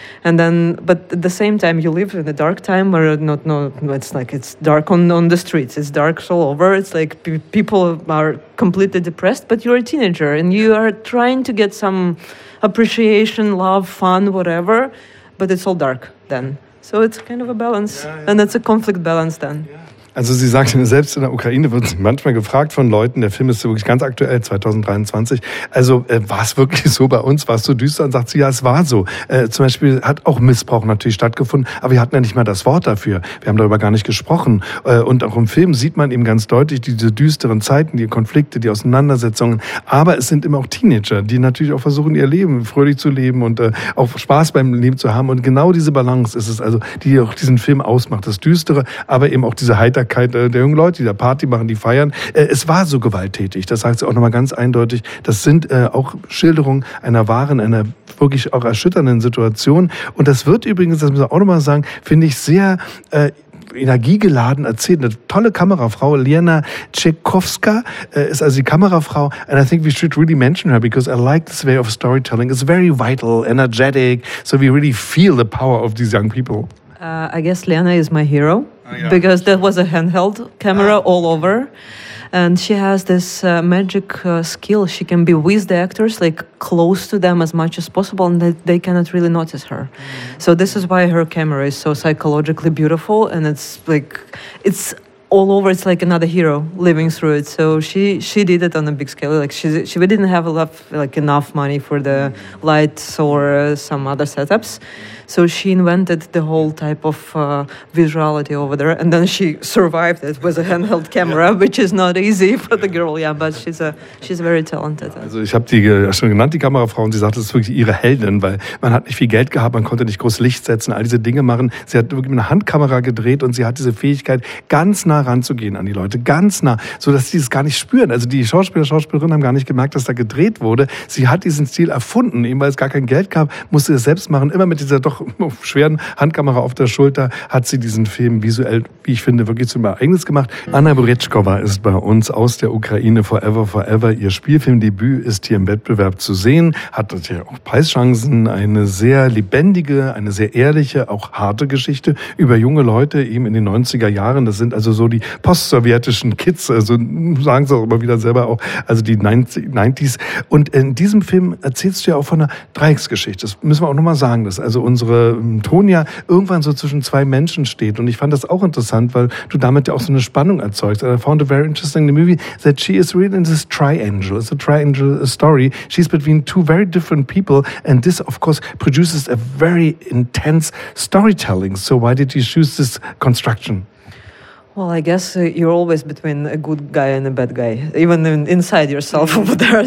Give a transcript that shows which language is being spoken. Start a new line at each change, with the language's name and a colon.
English: And then, but at the same time, you live in a dark time where it's like it's dark on the streets. It's dark all over. It's like people are completely depressed, but you're a teenager and you are trying to get some appreciation, love, fun, whatever, but it's all dark then. So it's kind of a balance. Yeah. And it's a conflict balance then. Yeah.
German: Also sie sagt, selbst in der Ukraine wird sie manchmal gefragt von Leuten, der Film ist wirklich ganz aktuell, 2023, also war es wirklich so bei uns, war es so düster? Und sagt sie, ja, es war so. Zum Beispiel hat auch Missbrauch natürlich stattgefunden, aber wir hatten ja nicht mal das Wort dafür. Wir haben darüber gar nicht gesprochen. Und auch im Film sieht man eben ganz deutlich diese düsteren Zeiten, die Konflikte, die Auseinandersetzungen. Aber es sind immer auch Teenager, die natürlich auch versuchen, ihr Leben fröhlich zu leben und auch Spaß beim Leben zu haben. Und genau diese Balance ist es, also die auch diesen Film ausmacht, das Düstere, aber eben auch diese Heiterkeit der jungen Leute, die da Party machen, die feiern. Es war so gewalttätig, das sagt sie auch nochmal ganz eindeutig. Das sind auch Schilderungen einer wahren, einer wirklich auch erschütternden Situation. Und das wird übrigens, das müssen wir auch nochmal sagen, finde ich sehr energiegeladen erzählt. Eine tolle Kamerafrau, Lena Tschekowska, ist also die Kamerafrau.
English: And I think we should really mention her, because I like this way of storytelling. It's very vital, energetic, so we really feel the power of these young people. I guess Lena is my hero. Yeah. Because that was a handheld camera all over. And she has this magic skill. She can be with the actors, like close to them as much as possible, and they cannot really notice her. So this is why her camera is so psychologically beautiful. And it's like, it's all over. It's like another hero living through it. So she did it on a big scale. Like we didn't have enough money for the lights or some other setups. So she invented the whole type of visuality over there, and then she survived it with a handheld camera, which is not easy for the girl, yeah, but she's very talented.
German: Also ich habe die schon genannt, die Kamerafrau, und sie sagt, das ist wirklich ihre Heldin, weil man hat nicht viel Geld gehabt, man konnte nicht groß Licht setzen, all diese Dinge machen. Sie hat wirklich mit einer Handkamera gedreht und sie hat diese Fähigkeit, ganz nah ranzugehen an die Leute, ganz nah, sodass sie es gar nicht spüren. Also die Schauspieler, Schauspielerinnen haben gar nicht gemerkt, dass da gedreht wurde. Sie hat diesen Stil erfunden, eben weil es gar kein Geld gab, musste es selbst machen, immer mit dieser doch schweren Handkamera auf der Schulter hat sie diesen Film visuell, wie ich finde, wirklich zum Ereignis gemacht. Anna Buretschkova ist bei uns aus der Ukraine, Forever, Forever. Ihr Spielfilmdebüt ist hier im Wettbewerb zu sehen, hat natürlich auch Preischancen. Eine sehr lebendige, eine sehr ehrliche, auch harte Geschichte über junge Leute eben in den 90er Jahren. Das sind also so die post-sowjetischen Kids, also sagen sie auch immer wieder selber auch, also die 90s. Und in diesem Film erzählst du ja auch von einer Dreiecksgeschichte. Das müssen wir auch nochmal sagen, dass also unsere Tonia irgendwann so zwischen zwei Menschen steht. Und ich fand das auch interessant, weil du damit ja auch so eine Spannung erzeugst.
English: And I found it very interesting in the movie that she is really in this triangle. It's a triangle story. She's between two very different people. And this, of course, produces a very intense storytelling. So why did you choose this construction? Well, I guess you're always between a good guy and a bad guy, even inside yourself over there.